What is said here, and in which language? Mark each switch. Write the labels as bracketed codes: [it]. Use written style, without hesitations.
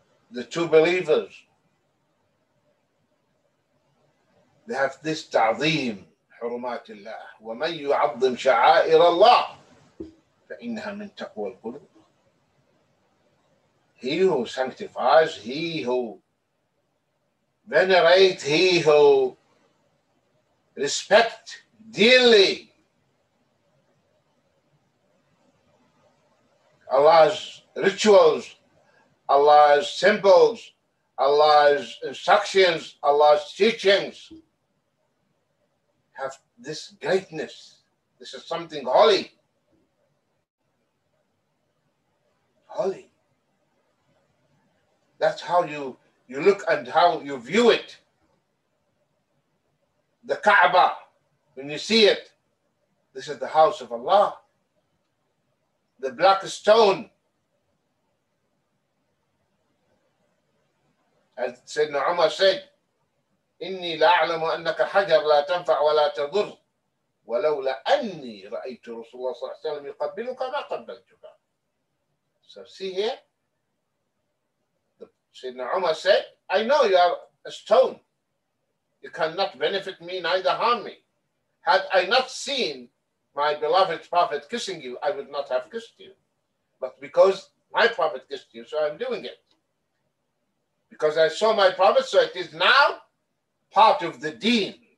[en] The true believers, they have this ta'zeem, [ar] حُرُمَاتِ اللَّهِ وَمَنْ يُعَظِّمْ شَعَائِرَ اللَّهِ فَإِنَّهَا مِنْ تَقْوَى الْقُلُوبِ. [en] He who sanctifies, he who venerate, he who respect dearly Allah's rituals, Allah's symbols, Allah's instructions, Allah's teachings, have this greatness. This is something holy. Holy. That's how you look and how you view it. The Kaaba, when you see it, this is the house of Allah. The black stone. As Sayyidina Umar said, [ar] إِنِّي لَأَعْلَمُ أَنَّكَ حَجَرْ لَا تَنْفَعْ وَلَا تَضُرْ وَلَوْلَا أَنِّي رَأَيْتُ رَسُولَ اللَّهِ صَلَّى اللَّهُ عَلَيْهِ وَسَلَّمَ يُقَبِّلُكَ مَا قَبَّلْتُكَ. [en] So see here, Sayyidina Umar said, I know you are a stone. You cannot benefit me, neither harm me. Had I not seen my beloved Prophet kissing you, I would not have kissed you. But because my Prophet kissed you, so I'm doing it. Because I saw my Prophet, so it is now part of the deen.